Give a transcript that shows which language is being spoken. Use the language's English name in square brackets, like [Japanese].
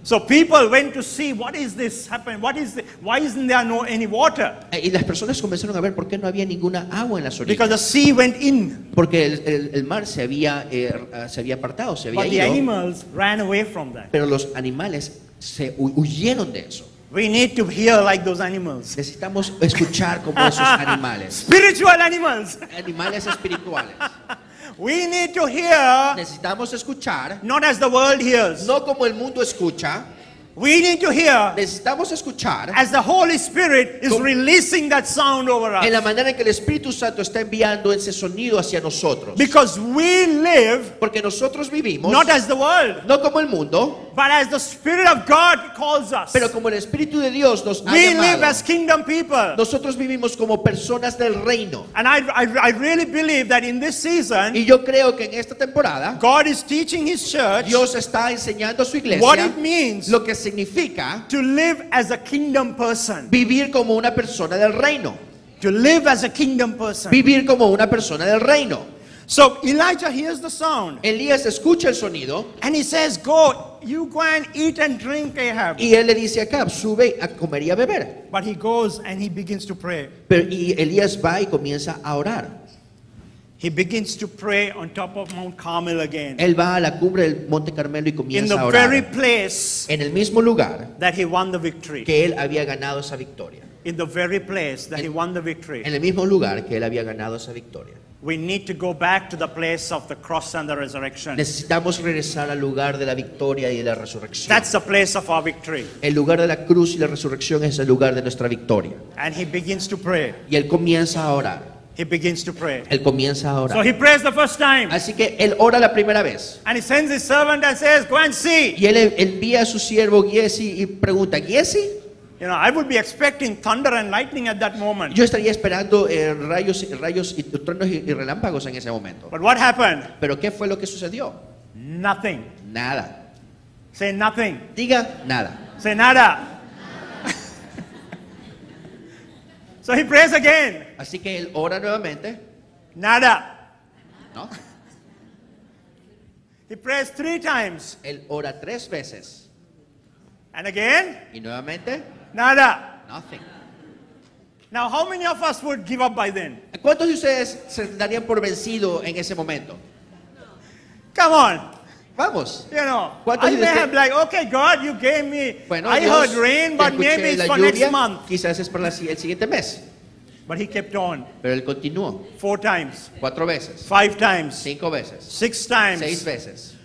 [English] So people went to see what is this happening? What is why isn't there no any water? [Spanish] Y las personas comenzaron a ver por qué no había ninguna agua en las orillas. [English] Because the sea went in. [Spanish] Porque el mar se había apartado, se había [English] But [Spanish] ido. [English] The animals ran away from that. [Spanish] Pero los animales se huyeron de eso. [English] We need to hear like those animals. [Spanish] Necesitamos escuchar como esos animales. [English] Spiritual animals. [Spanish] Animales espirituales. [English] We need to hear. [Spanish] Necesitamos escuchar. [English] Not as the world hears. [Spanish] No como el mundo escucha. [English] We need to hear. [Spanish] Necesitamos escuchar. [English] As the Holy Spirit is releasing that sound over us. [Spanish] En la manera en que el Espíritu Santo está enviando ese sonido hacia nosotros. [English] Because we live. [Spanish] Porque nosotros vivimos. [English] Not as the world. [Spanish] No como el mundo. [English] But as the Spirit of God calls us. [Spanish] Pero como el Espíritu de Dios nos ha [English] we [Spanish] llamado. [English] We live as kingdom people. [Spanish] Nosotros vivimos como personas del reino. [English] And I really believe that in this season. [Spanish] Y yo creo que en esta temporada. [English] God is teaching His church. [Spanish] Dios está enseñando a su iglesia. [English] What it means. [Spanish] Lo que significa [English] to live as a kingdom person. [Spanish] Vivir como una persona del reino. [English] To live as a kingdom person. [Spanish] Vivir como una persona del reino. [English] So Elijah hears the sound. [Spanish] Elías escucha el sonido. [English] And he says, "Go, you go and eat and drink, Ahab." [Spanish] Y él le dice a Acab, sube a comer y a beber. [English] But he goes and he begins to pray. [Spanish] Pero y Elías va y comienza a orar. [English] He begins to pray on top of Mount Carmel again. [Spanish] Él va a la cumbre del Monte Carmelo y comienza a orar. [English] In the very place. [Spanish] En el mismo lugar. [English] That he won the victory. [Spanish] Que él había ganado esa victoria. [English] In the very place that he won the victory. [Spanish] En el mismo lugar que él había ganado esa victoria. [English] We need to go back to the place of the cross and the resurrection. [Spanish] Necesitamos regresar al lugar de la victoria y de la resurrección. [English] That's the place of our victory. [Spanish] El lugar de la cruz y la resurrección es el lugar de nuestra victoria. [English] And he begins to pray. [Spanish] Y él comienza a orar. [English] He begins to pray. [Spanish] Él comienza a orar. [English] So he prays the first time. [Spanish] Así que él ora la primera vez. [English] And he sends his servant and says, "Go and see." [Spanish] Y él envía a su siervo Giesi y pregunta, "¿Giesi?" [English] You know, I would be expecting thunder and lightning at that moment. [Spanish] Yo estaría esperando rayos y truenos y relámpagos en ese momento. [English] But what happened? [Spanish] ¿Pero qué fue lo que sucedió? [English] Nothing. [Spanish] Nada. [English] Say nothing. [Spanish] Diga nada. [English] Say nada. So he prays again. [Spanish] Así que él ora nuevamente. Nada. No. [English] He prays three times. [Spanish] Él ora tres veces. [English] And again. [Spanish] Y nuevamente. Nada. [English] Nothing. Now, how many of us would give up by then? [Spanish] ¿Cuántos de ustedes se darían por vencido en ese momento? [English] Come on. [Spanish] Vamos. [English] You know, I may have like, okay, God, you gave me. [Spanish] Bueno, [English] I [Spanish] Dios, [English] heard rain, but maybe it's for [Spanish] lluvia, [English] next month. [Spanish] Quizás es para el siguiente mes. [English] But he kept on. [Spanish] Pero él continuó. [English] Four times. [Spanish] Cuatro veces. [English] Five times. [Spanish] Cinco veces. [English] Six times. [Spanish] Seis veces.